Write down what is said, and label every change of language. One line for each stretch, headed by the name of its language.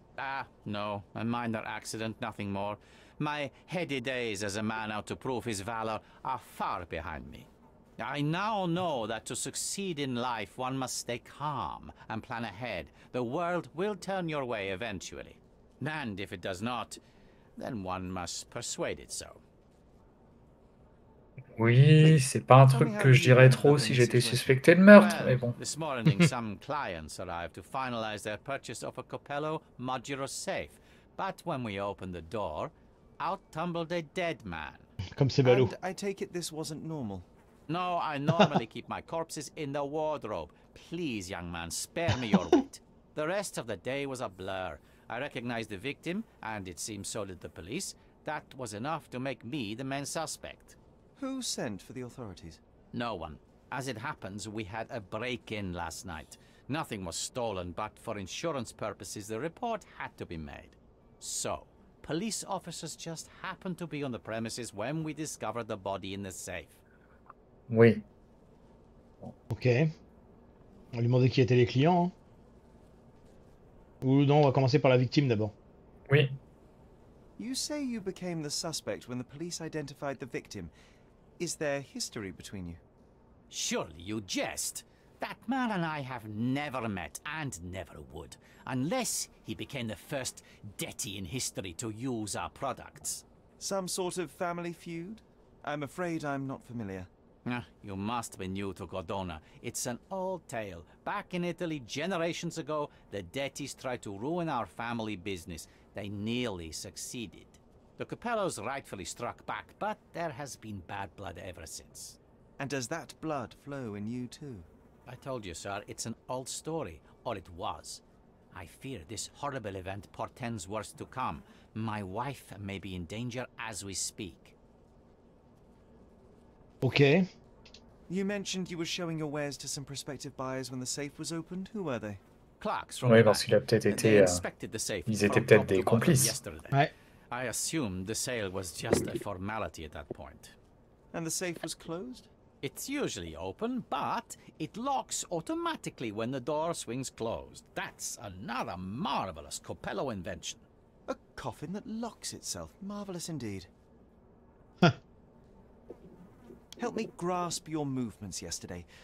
English: Ah, no. A minor accident, nothing more. My heady days as a man out to prove his valor are far behind me. I now know that to succeed in life, one must stay calm and plan ahead. The world will turn your way eventually. And if it does not, then one must persuade it so.
French: Oui, c'est pas un truc que je dirais trop si j'étais suspecté de meurtre, mais bon.
English: This morning, some clients arrived to finalize their purchase of a Capello modular safe. But when we opened the door, out tumbled a dead man.
French: Comme c'est ballot.
English: I take it this wasn't normal. No, I normally keep my corpses in the wardrobe. Please, young man, spare me your wit. The rest of the day was a blur. I recognized the victim, and it seemed so did the police. That was enough to make me the main suspect. Who sent for the authorities? No one. As it happens, we had a break-in last night. Nothing was stolen, but for insurance purposes, the report had to be made. So, police officers just happened to be on the premises when we discovered the body in the safe.
French: Oui. Ok. On lui demandait qui étaient les clients. Hein. Ou non, on va commencer par la victime d'abord. Oui.
English: You say you became the suspect when the police identified the victim. Is there history between you? Surely you jest. That man and I have never met and never would, unless he became the first Detti in history to use our products. Some sort of family feud? I'm afraid I'm not familiar. You must be new to Cordona. It's an old tale. Back in Italy, generations ago, the Dettis tried to ruin our family business. They nearly succeeded. The Capellos rightfully struck back, but there has been bad blood ever since. And does that blood flow in you too? I told you, sir, it's an old story, or it was. I fear this horrible event portends worse to come. My wife may be in danger as we speak. Okay. You mentioned you were showing your wares to some prospective buyers when the safe was opened. Who were they? Clerks from the bank.
French: Oui, parce qu'il a peut-être été, ils étaient peut-être des complices. Ouais.
English: I assumed the sale was just a formality at that point. And the safe was closed? It's usually open, but it locks automatically when the door swings closed. That's another marvelous Coppello invention. A coffin that locks itself. Marvelous indeed. Help me grasp your movements yesterday.